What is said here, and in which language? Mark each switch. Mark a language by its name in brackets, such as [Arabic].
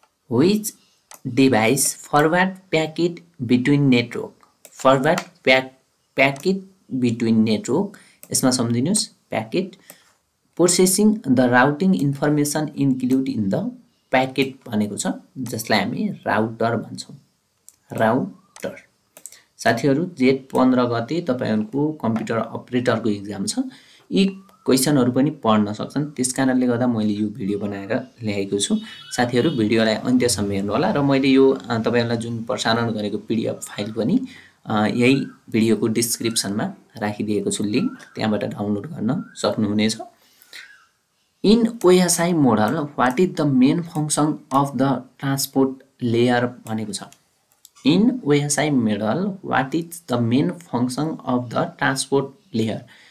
[English] Which device forward packet between network? Forward packet between network. [Nepali] इसमें समझिनुस [English] packet processing the routing information included in the packet [Nepali] भनेको छ जसलाई हामी router भन्छौ. [English] Router. [Nepali] साथीहरु जेट 15 गते तपाईहरुको कम्प्युटर अपरेटरको एग्जाम छ. यी क्वेशनहरु पनि पढ्न सक्छन्. त्यसकारणले गर्दा मैले यो भिडियो बनाएर ल्याएको छु. साथीहरु भिडियोलाई अन्त्यसम्म हेर्नु होला र मैले यो तपाईहरुलाई जुन प्रसारण गरेको पीडीएफ फाइल पनि यही भिडियोको डिस्क्रिप्सनमा राखिदिएको छु. लिंक त्यहाँबाट डाउनलोड गर्न सक्नुहुनेछ. [English] In OSI model, what is the main function of the transport layer? In OSI model, what is the main function of the transport layer?